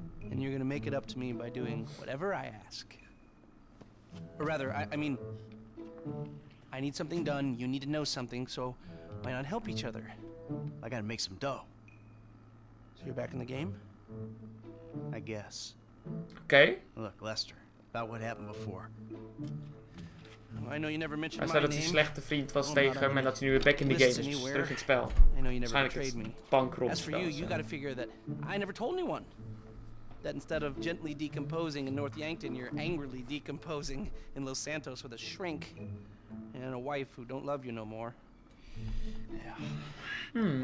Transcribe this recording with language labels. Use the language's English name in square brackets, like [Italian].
[English] And you're gonna make it up to me by doing whatever I ask. Or rather, I mean, I need something done, you need to know something, so why not help each other? I gotta make some dough. So you're back in the game? I guess. Okay. Look, Lester, about what happened before. Well, I know you never mentioned my name. [Dutch] Hij zei dat hij slechte vriend was tegen hem en dat hij nu weer [English] back in the game [Dutch] is, dus terug in het spel. [English] I know you never betrayed me. [Dutch] Bankrot. [English] As for you, you gotta figure that I never told anyone. That instead of gently decomposing in North Yankton, you're angrily decomposing in Los Santos with a shrink and a wife who don't love you no more. Yeah.